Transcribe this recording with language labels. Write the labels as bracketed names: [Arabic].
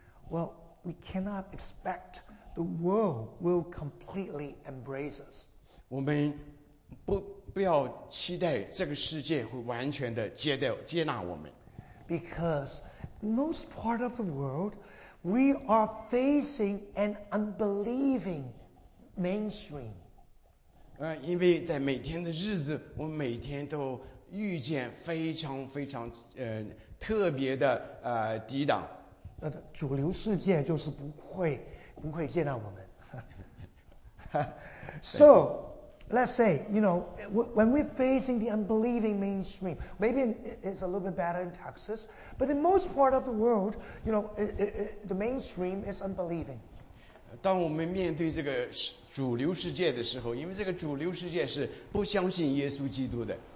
[English] Well, we cannot expect the world will completely embrace us. [Chinese] 我们不要期待这个世界会完全的接纳我们。 [English] Because most part of the world, we are facing an unbelieving mainstream. [Chinese] 因为在每天的日子，我每天都遇见非常非常特别的抵挡。主流世界就是不会接纳我们。 [English] So. Let's say, you know, when we're facing the unbelieving mainstream, maybe it's a little bit better in Texas, but in most part of the world, you know, the mainstream is unbelieving. [Chinese] 当我们面对这个主流世界的时候，因为这个主流世界是不相信耶稣基督的。